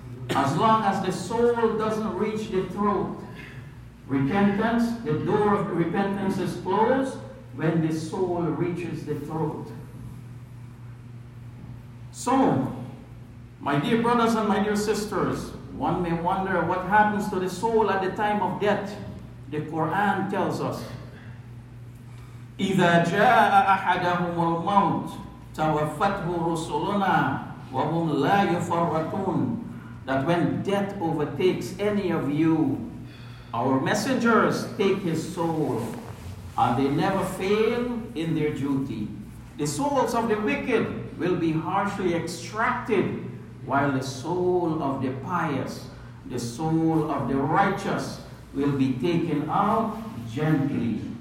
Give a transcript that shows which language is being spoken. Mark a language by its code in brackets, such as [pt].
[en] As long as the soul doesn't reach the throat. Repentance, the door of repentance is closed when the soul reaches the throat. So, my dear brothers and my dear sisters, one may wonder what happens to the soul at the time of death. The Quran tells us, [ar] إِذَا جَاءَ أَحَدَهُمُ الْمَوْتِ تَوَفَّتْهُ رُسُلُنَا وَهُمْ لَا يُفَرَّتُونَ. [en] That when death overtakes any of you, our messengers take his soul, and they never fail in their duty. The souls of the wicked will be harshly extracted, while the soul of the pious, the soul of the righteous, will be taken out gently.